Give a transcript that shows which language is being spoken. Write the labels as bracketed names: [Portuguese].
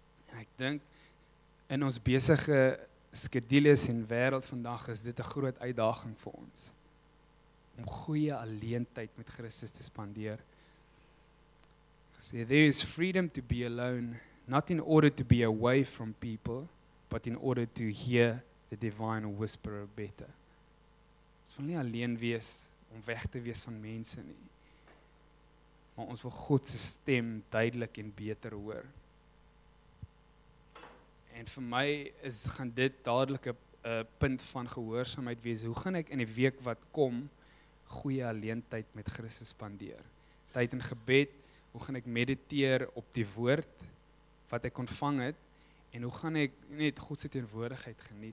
[Afrikaans] En ek dink in ons besige skedules en wêreld vandag is dit 'n groot uitdaging vir ons om goeie alleen tyd met Christus te spandeer. [English] Say, there is freedom to be alone, not in order to be away from people, but in order to hear the divine whisperer better. [Afrikaans] Ons wil nie alleen wees om weg te wees van mense nie, maar ons wil God se stem duidelik en beter hoor. En vir my is gaan dit dadelik 'n punt van gehoorsaamheid wees. Hoe gaan ek in die week wat kom goeie alleen tyd met Christus spandeer? Tyd in gebed, hoe gaan ek mediteer op die woord wat ek ontvang het, en hoe gaan ek net God se teenwoordigheid geniet?